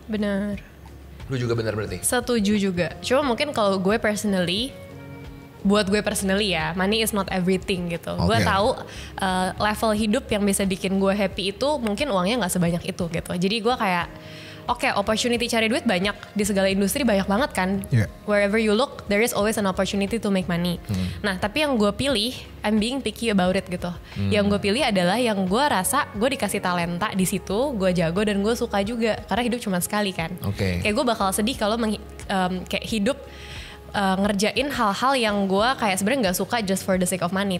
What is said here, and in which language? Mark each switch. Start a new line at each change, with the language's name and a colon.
Indonesian: Benar. Lu juga benar berarti? Setuju juga. Cuma mungkin kalau gue personally, buat gue personally ya,
English: money is not everything
Indonesian: gitu. Okay. Gue tahu level hidup yang bisa bikin gue happy itu mungkin uangnya gak sebanyak itu gitu. Jadi gue kayak, okay, opportunity cari duit banyak di segala industri banyak banget kan.
English: Yeah. Wherever you look, there is always an opportunity to make money.
Indonesian: Nah, tapi yang gue pilih,
English: I'm being picky about it
Indonesian: gitu. Yang gue pilih adalah yang gue rasa gue dikasih talenta di situ, gue jago dan gue suka juga. Karena hidup cuma sekali kan.
English: Okay.
Indonesian: Kayak gue bakal sedih kalau kayak hidup ngerjain hal-hal yang gue kayak sebenarnya gak suka
English: just for the sake of money.